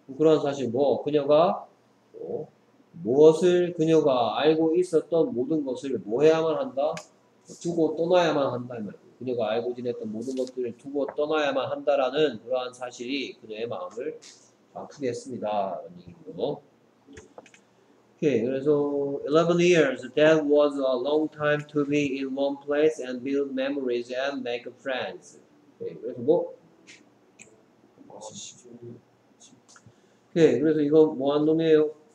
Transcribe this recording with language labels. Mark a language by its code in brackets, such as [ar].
[ko] 그런 사실 뭐 그녀가 뭐, 무엇을 그녀가 알고 있었던 모든 것을 뭐 해야만 한다? 두고 떠나야만 한다. 그녀가 알고 지냈던 모든 것들을 두고 떠나야만 한다라는 그러한 사실이 그녀의 마음을 아프게 했습니다. 라는 얘기고요. 오케이. [en] 그래서 11 years that was a long time to be in one place and build memories and make friends. [ko] 오케이. 그래서 뭐 네, 그래서 이거 뭐한 놈이에요?